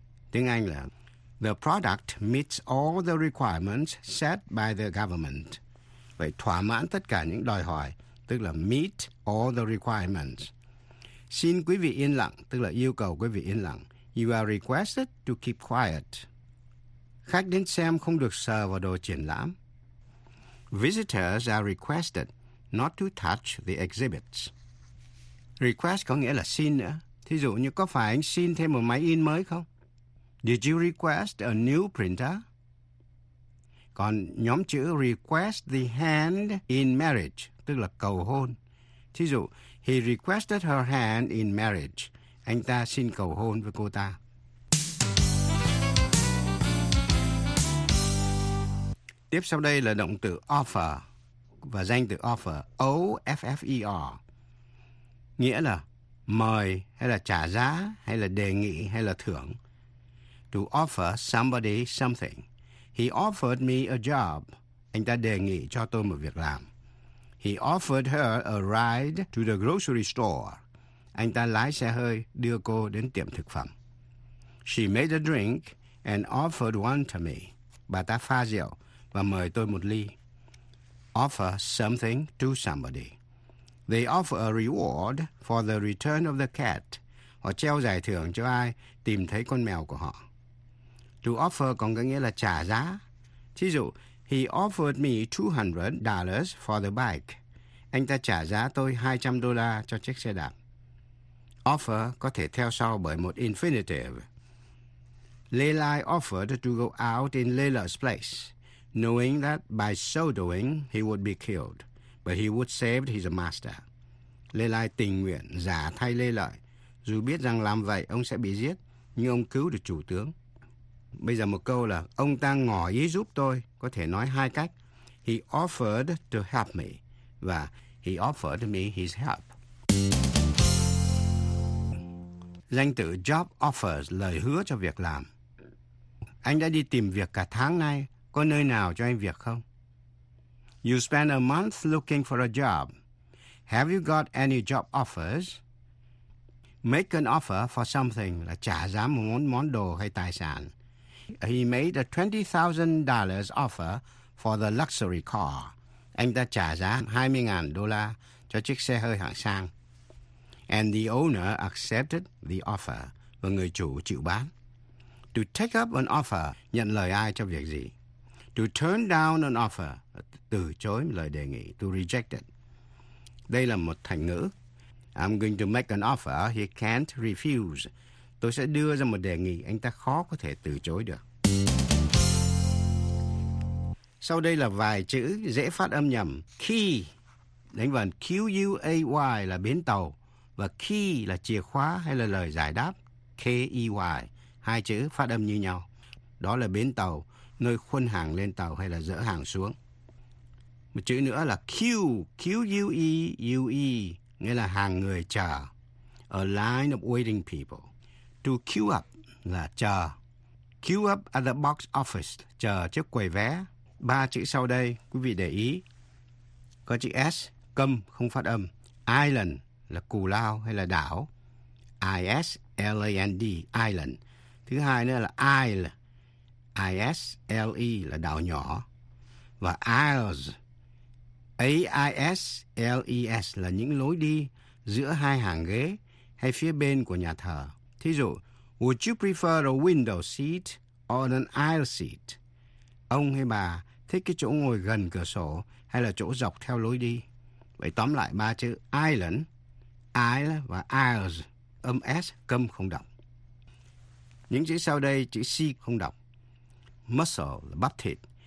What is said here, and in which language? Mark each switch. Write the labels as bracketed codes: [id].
[vi] Tiếng Anh là [en] the product meets all the requirements set by the government. [vi] Vậy thỏa mãn tất cả những đòi hỏi, tức là [en] meet all the requirements. [vi] Xin quý vị yên lặng, tức là yêu cầu quý vị yên lặng. [en] You are requested to keep quiet. [vi] Khách đến xem không được sờ vào đồ triển lãm. [en] Visitors are requested not to touch the exhibits. [vi] Request có nghĩa là xin nữa. Thí dụ như có phải anh xin thêm một máy in mới không? [en] Did you request a new printer? [vi] Còn nhóm chữ [en] request the hand in marriage, [vi] tức là cầu hôn. Thí dụ, [en] he requested her hand in marriage. [vi] Anh ta xin cầu hôn với cô ta. Tiếp sau đây là động từ offer và danh từ offer, O-F-F-E-R. Nghĩa là mời hay là trả giá hay là đề nghị hay là thưởng. [en] To offer somebody something. He offered me a job. [vi] Anh ta đề nghị cho tôi một việc làm. [en] He offered her a ride to the grocery store. [vi] Anh ta lái xe hơi đưa cô đến tiệm thực phẩm. [en] She made a drink and offered one to me. [vi] Bà ta pha rượu và mời tôi một ly. [en] Offer something to somebody. They offer a reward for the return of the cat. [vi] Họ treo giải thưởng cho ai tìm thấy con mèo của họ. [en] To offer còn có nghĩa là trả giá. [vi] Thí dụ, [en] he offered me $200 for the bike. [vi] Anh ta trả giá tôi $200 cho chiếc xe đạp. Offer có thể theo sau bởi một infinitive. [en] Lelai offered to go out in Lela's place, knowing that by so doing he would be killed, but he would save his master. [vi] Lelai tình nguyện giả thay Lê Lợi, dù biết rằng làm vậy ông sẽ bị giết, nhưng ông cứu được chủ tướng. Bây giờ một câu là ông ta ngỏ ý giúp tôi, có thể nói hai cách. [en] He offered to help me [vi] và [en] he offered me his help. [vi] Danh từ job offers, lời hứa cho việc làm. Anh đã đi tìm việc cả tháng nay, có nơi nào cho anh việc không? [en] You spent a month looking for a job. Have you got any job offers? Make an offer for something [vi] là trả giá một món đồ hay tài sản. [en] He made a $20,000 offer for the luxury car. [vi] Anh ta trả giá $20,000 cho chiếc xe hơi hạng sang. [en] And the owner accepted the offer. [vi] Và người chủ chịu bán. [en] To take up an offer, [vi] nhận lời ai cho việc gì? [en] To turn down an offer, [vi] từ chối lời đề nghị. [en] To reject it. [vi] Đây là một thành ngữ. [en] I'm going to make an offer he can't refuse. [vi] Tôi sẽ đưa ra một đề nghị anh ta khó có thể từ chối được. Sau đây là vài chữ dễ phát âm nhầm. Key, đánh vần Q-U-A-Y là bến tàu. Và key là chìa khóa hay là lời giải đáp. K-E-Y, hai chữ phát âm như nhau. Đó là bến tàu, nơi khuân hàng lên tàu hay là dỡ hàng xuống. Một chữ nữa là Q-U-E-U-E, nghĩa là hàng người chờ. [en] A line of waiting people. To queue up [vi] là chờ. [en] Queue up at the box office, [vi] chờ trước quầy vé. Ba chữ sau đây, quý vị để ý. Có chữ S, câm, không phát âm. Island là cù lao hay là đảo. I-S-L-A-N-D, island. Thứ hai nữa là isle. I-S-L-E là đảo nhỏ. Và aisles, A-I-S-L-E-S là những lối đi giữa hai hàng ghế hay phía bên của nhà thờ. Thí dụ, [en] would you prefer a window seat or an aisle seat? [vi] Ông hay bà thích cái chỗ ngồi gần cửa sổ hay là chỗ dọc theo lối đi? Vậy tóm lại ba chữ island, aisle và aisles, âm S câm không đọc. Những chữ sau đây, chữ C không đọc. Muscle là bắp thịt.